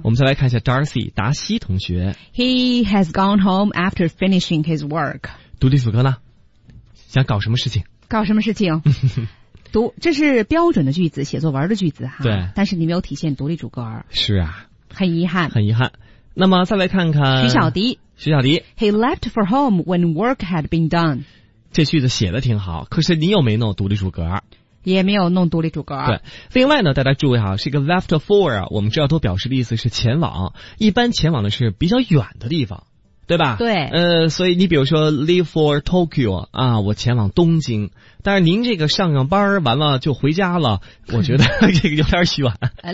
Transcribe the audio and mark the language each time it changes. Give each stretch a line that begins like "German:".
Chinese: 我们再来看一下 Darcy 达西同学，
English: He has gone home after finishing his work。
Chinese: 独立主格呢，想搞什么事情，搞什么事情读，这是标准的句子，写作文的句子哈。对，但是你没有体现独立主格。是啊，很遗憾很遗憾。那么再来看看
English: 徐小迪 He left for home when work had been done。
Chinese: 这句子写的挺好，可是你又没弄独立主格，也没有弄独立主格。对，另外呢，大家注意哈，是一个 left for， 我们知道都表示的意思是前往，一般前往的是比较远的地方，对吧？对。所以你比如说
English: leave for Tokyo
Chinese: 啊，我前往东京，但是您这个上班完了就回家了，我觉得这个有点远。